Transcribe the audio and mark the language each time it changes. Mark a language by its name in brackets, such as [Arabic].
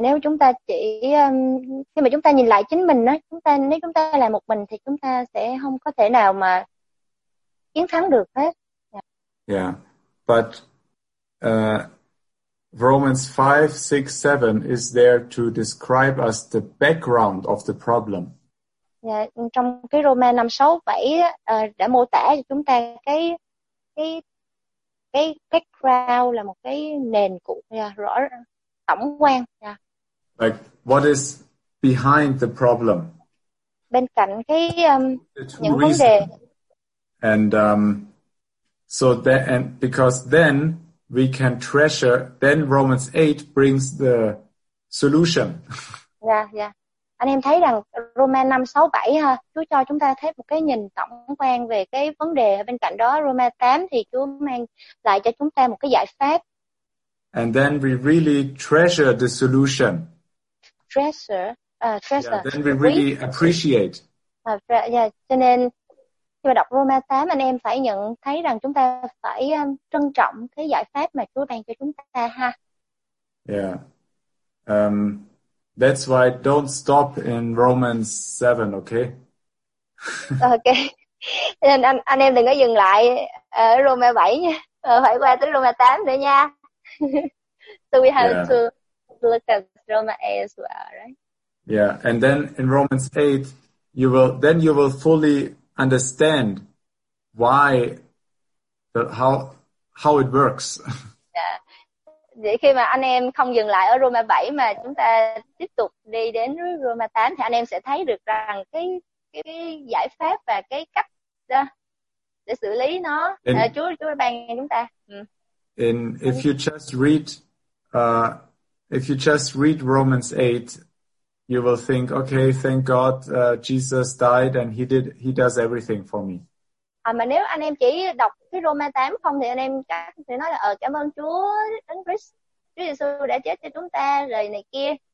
[Vietnamese] Nếu chúng ta chỉ khi mà chúng ta nhìn lại chính mình đó, nếu chúng ta là một mình thì chúng ta sẽ không có thể nào mà chiến thắng được hết. [English] Yeah. Yeah, but Romans 5, 6, 7 is there to describe us the background of the problem. [Vietnamese] Yeah, trong cái Roma 5, 6, 7 đã mô tả cho chúng ta cái background là một cái nền cụ rõ tổng quan. [English] Yeah. Like what is behind the problem? [Vietnamese] Bên cạnh cái những vấn đề. [English] And so that, and because then we can treasure, then Romans 8 brings the solution. Yeah, yeah. [Vietnamese] Anh em thấy rằng Roma 5, 6, 7 ha, Chúa cho chúng ta thấy một cái nhìn tổng quan về cái vấn đề. Bên cạnh đó, Roma 8 thì Chúa mang lại cho chúng ta một cái giải pháp. [English] And then we really treasure the solution. Treasure. Yeah, then we really appreciate. [Vietnamese] Cho nên khi mà đọc Roma 8, anh em phải nhận thấy rằng chúng ta phải trân trọng cái giải pháp mà Chúa ban cho chúng ta ha. [English] Yeah. That's why don't stop in Romans 7, okay? Okay. [Vietnamese] Anh em đừng có dừng lại ở Roma 7 nha. Phải qua tới Roma 8 nữa nha. [English] So we have to look at Roma 8 as well, right? Yeah, and then in Romans 8, you will fully understand why, how it works. [Vietnamese] Vậy khi mà anh em không dừng lại ở Roma 7 mà chúng ta tiếp tục đi đến Roma 8 thì anh em sẽ thấy được rằng cái giải pháp và cái cách để xử lý nó Chúa ban cho chúng ta. [English] In if you just read Romans 8, you will think, okay, thank God Jesus died and he does everything for me. [Vietnamese] Mà nếu anh em chỉ đọc cái Roma 8 không thì anh em chắc sẽ nói là cảm ơn Chúa Đấng Christ, Chúa Giêsu đã chết cho chúng ta rồi này kia.